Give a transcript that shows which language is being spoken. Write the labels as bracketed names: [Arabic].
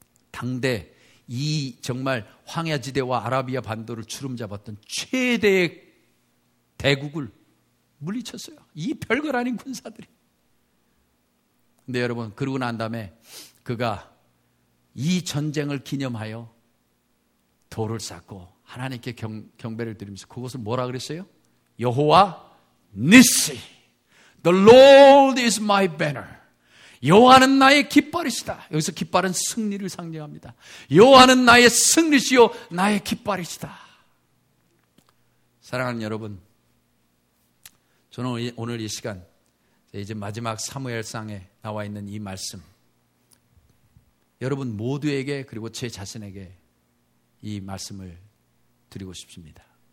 [Korean] 당대 이 정말 황야지대와 아라비아 반도를 주름잡았던 최대의 대국을 물리쳤어요. 이 별걸 아닌 군사들이. 근데 여러분 그러고 난 다음에 그가 이 전쟁을 기념하여 돌을 쌓고 하나님께 경배를 드리면서 그것을 뭐라 그랬어요? 여호와 니시, [English] The Lord is my banner. [Korean] 여호와는 나의 깃발이시다. 여기서 깃발은 승리를 상징합니다. 여호와는 나의 승리시요 나의 깃발이시다. 사랑하는 여러분, 저는 오늘 이 시간 이제 마지막 사무엘상에 나와 있는 이 말씀 여러분 모두에게 그리고 제 자신에게 이 말씀을 드리고 싶습니다.